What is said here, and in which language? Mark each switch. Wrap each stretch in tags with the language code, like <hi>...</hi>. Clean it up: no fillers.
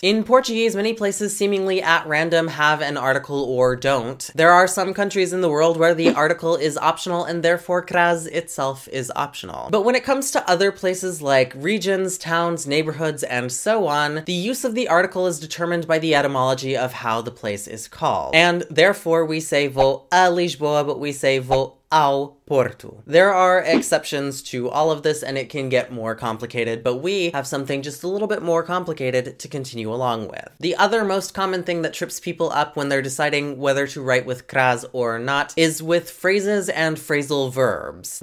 <en>In Portuguese, many places seemingly at random have an article or don't. There are some countries in the world where the article is optional and therefore crasis itself is optional. But when it comes to other places like regions, towns, neighborhoods, and so on, the use of the article is determined by the etymology of how the place is called. And therefore we say</en> <pt>vou a Lisboa,</pt> <en>but we say</en> <pt>vou ao Porto.</pt> <en>There are exceptions to all of this and it can get more complicated, but we have something just a little bit more complicated to continue along with. The other most common thing that trips people up when they're deciding whether to write with crasis or not is with phrases and phrasal verbs.</en>